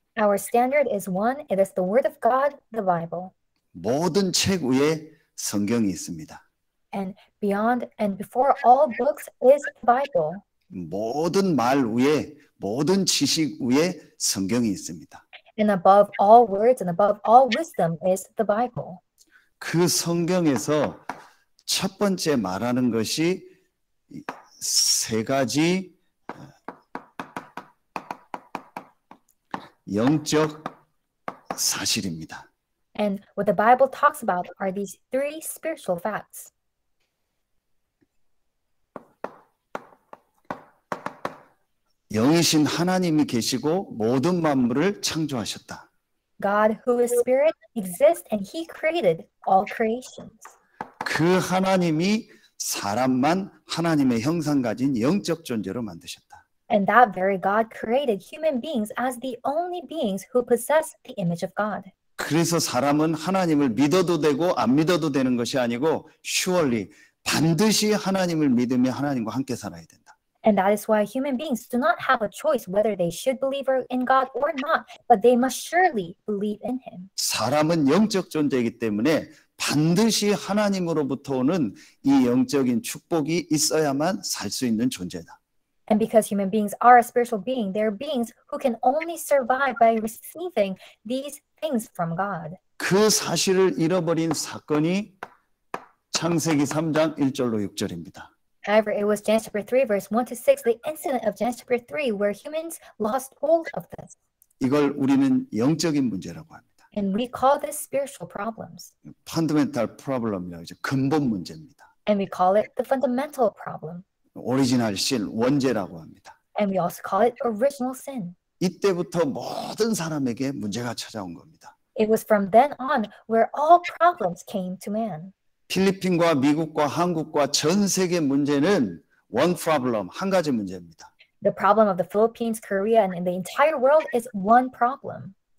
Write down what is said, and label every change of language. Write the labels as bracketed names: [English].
[English] Our standard is one. It is the Word of God, the Bible. [Korean] 모든 책 위에 성경이 있습니다. [English] And beyond and before all books is the Bible. [Korean] 모든 말 위에, 모든 지식 위에 성경이 있습니다. [English] And above all words and above all wisdom is the Bible. [Korean] 그 성경에서 첫 번째 말하는 것이 세 가지 영적 사실입니다. [English] And what the Bible talks about are these three spiritual facts. [Korean] 영이신 하나님이 계시고 모든 만물을 창조하셨다. [English] God who is spirit exists and he created all creations. [Korean] 그 하나님이 사람만 하나님의 형상 가진 영적 존재로 만드셨다. [English] And that very God created human beings as the only beings who possess the image of God. [Korean] 그래서 사람은 하나님을 믿어도 되고 안 믿어도 되는 것이 아니고 [English] surely [Korean] 반드시 하나님을 믿으며 하나님과 함께 살아야 된다. [English] And that is why human beings do not have a choice whether they should believe in God or not, but they must surely believe in Him. [Korean] 사람은 영적 존재이기 때문에 반드시 하나님으로부터 오는 이 영적인 축복이 있어야만 살 수 있는 존재다. [English] And because human beings are a spiritual being, they are beings who can only survive by receiving these things from God. [Korean] 그 사실을 잃어버린 사건이 창세기 3장 1절로 6절입니다. [English] However, it was Genesis chapter 3, verse 1 to 6, the incident of Genesis chapter 3, where humans lost hold of this. [Korean] 이걸 우리는 영적인 문제라고 합니다. [English] And we call this spiritual problems. Fundamental problem [Korean] 이라고 이제 근본 문제입니다. [English] And we call it the fundamental problem. Original sin, [Korean] 원죄라고 합니다. [English] And we also call it original sin. [Korean] 이때부터 모든 사람에게 문제가 찾아온 겁니다. [English] It was from then on where all problems came to man. [Korean] 필리핀과 미국과 한국과 전 세계 문제는 [English] one problem, [Korean] 한 가지 문제입니다. [English] The problem of the Philippines, Korea, and the entire world is one problem.